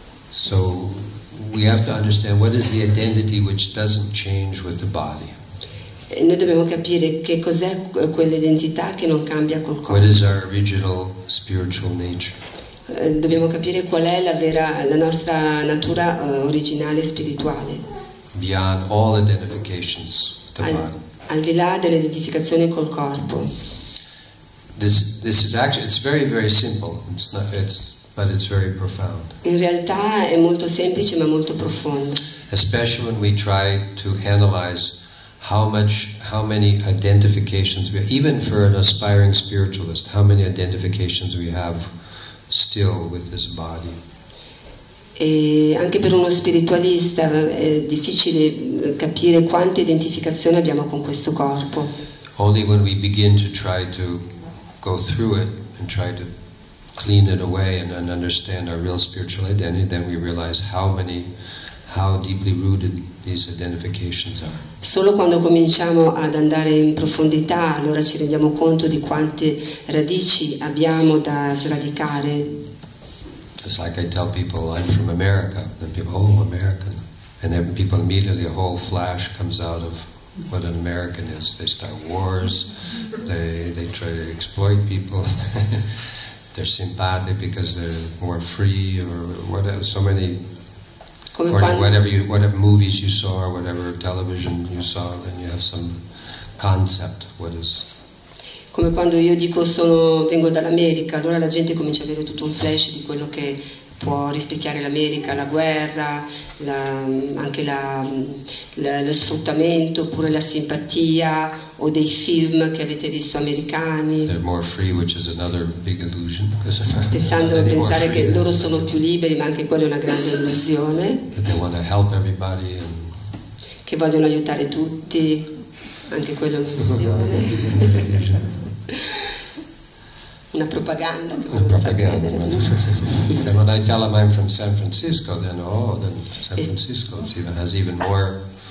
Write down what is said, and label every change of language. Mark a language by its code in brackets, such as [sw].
[en] So we have to understand what is the identity which doesn't change with the body. [it] noi dobbiamo capire che cos'è quell'identità che non cambia col corpo. [en] What is our original spiritual nature? [it] Dobbiamo capire qual è la vera, la nostra natura originale spirituale. [en] Beyond all identifications with the body. [it] Al di là dell'identificazione col corpo. [en] This is actually it's very very simple. It's not, it's, but it's very profound. [it] In realtà è molto semplice ma molto profondo. [en] Especially when we try to analyze how many identifications we have, even for an aspiring spiritualist, how many identifications we have still with this body. [it] E anche per uno spiritualista è difficile capire quante identificazioni abbiamo con questo corpo. [en] Only when we begin to try to go through it and try to clean it away and understand our real spiritual identity, then we realize how deeply rooted these identifications are. [it] Solo quando cominciamo ad andare in profondità, allora ci rendiamo conto di quante radici abbiamo da sradicare. [en] It's like I tell people I'm from America, and people, oh, American, and then people immediately a whole flash comes out of what an American is. They start wars, they try to exploit people. They're sympathetic because they're more free or whatever. So many. Whatever movies you saw, or whatever television you saw, then you have some concept. What is? [it] Come quando io dico sono vengo dall'America, allora la gente comincia a avere tutto un flash di quello che può rispecchiare l'America, la guerra, lo sfruttamento, oppure la simpatia o dei film che avete visto americani. [en] They're more free, which is another big illusion. [it] Pensare che loro sono più liberi, ma anche quella è una grande illusione. [en] That they want to help everybody and... [it] Che vogliono aiutare tutti, anche quella è un'illusione. Una propaganda. [en] Then when I tell them I'm from San Francisco, then San Francisco has even more.